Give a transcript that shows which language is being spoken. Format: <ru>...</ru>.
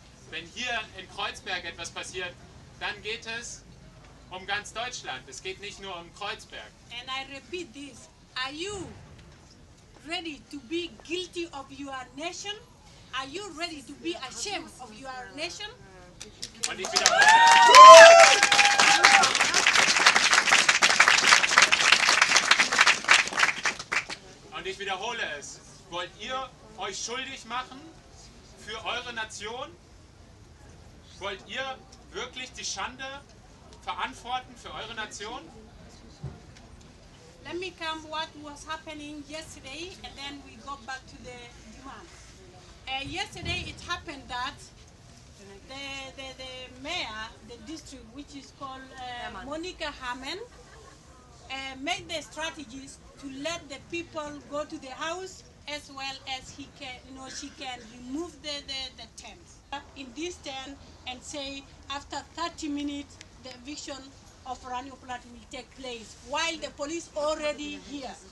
<de>Wenn hier in Kreuzberg etwas passiert, dann geht es um ganz Deutschland. Es geht nicht nur um Kreuzberg.</de> <en>And I repeat this. Are you ready to be guilty of your nation? Are you ready to be ashamed of your nation?</en> <de>Und ich wiederhole. Und ich wiederhole es. Wollt ihr euch schuldig machen für eure Nation? Wollt ihr wirklich die Schande verantworten für eure Nation?</de> <en>Let enemy camp what was happening yesterday, and then we go back to the demand. Yesterday it happened that the mayor, the district, which is called Monica Hammond, made the strategies to let the people go to the house as well as he can, you know, she can remove the tents in this tent and say after 30 minutes the eviction of Oranienplatz will take place while the police already here.</en>